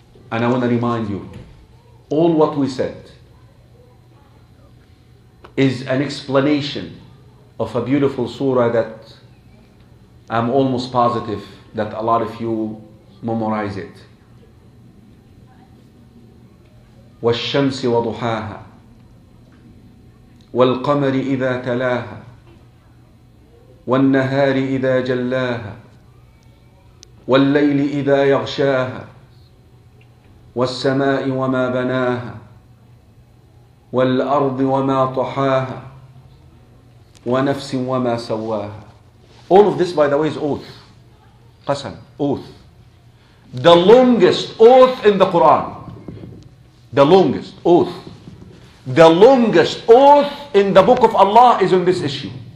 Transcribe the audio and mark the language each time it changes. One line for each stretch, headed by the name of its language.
English: And I want to remind you, all what we said is an explanation of a beautiful surah that I'm almost positive that a lot of you memorize it.
Arabic: والشمس وضحاها والقمر إذا تلاها والنهار إذا جلاها والليل إذا يغشاها والسماء وما بناها والأرض وما طحاها ونفس وما سواها.
English: All of this, by the way, is oath. قسم. Oath. The longest oath in the Quran. The longest oath. The longest oath in the book of Allah is on this issue.